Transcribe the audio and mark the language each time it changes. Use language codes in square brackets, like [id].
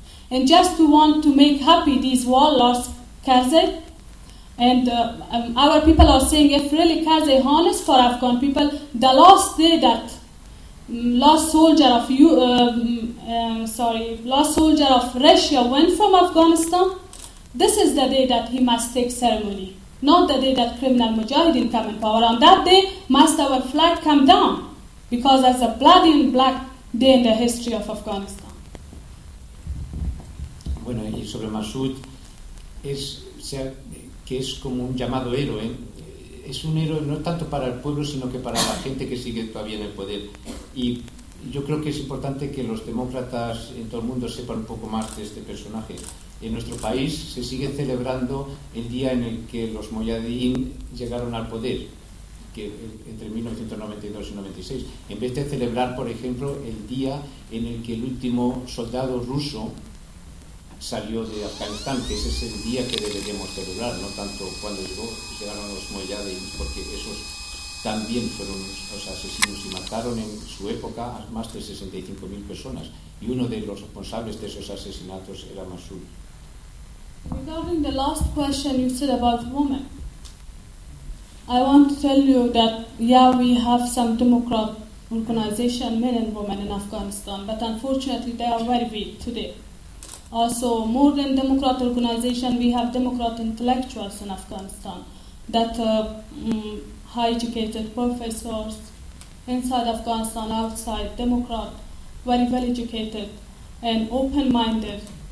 [en] And just to want to make happy these warlords, Karzai, and our people are saying, if really Karzai honest for Afghan people, the last day that last soldier of Russia went from Afghanistan, this is the day that he must take ceremony, not the day that criminal mujahideen come in power. On that day, must our flag come down, because that's a bloody and black day in the history of Afghanistan. [es] Bueno, y sobre Massoud, que es como un llamado héroe, es un héroe no tanto para el pueblo sino que para la gente que sigue todavía en el poder, y yo creo que es importante que los demócratas en todo el mundo sepan un poco más de este personaje. En nuestro país se sigue celebrando el día en el que los Mujahidin llegaron al poder, que entre 1992 y 96, en vez de celebrar, por ejemplo, el día en el que el último soldado ruso salió de Afganistán, que ese es el día que deberíamos celebrar, no tanto cuando llegaron los Mujahidin, porque esos también fueron los asesinos y mataron en su época a más de 65.000 personas, y uno de los responsables de esos asesinatos era Massoud. [en] Regarding the last question you said about women, I want to tell you that, yeah, we have some democratic organization, men and women in Afghanistan, but unfortunately they are very weak today. Also, more than democratic organization, we have democratic intellectuals in Afghanistan, that high-educated professors inside Afghanistan, outside, democrat, very well-educated and open-minded.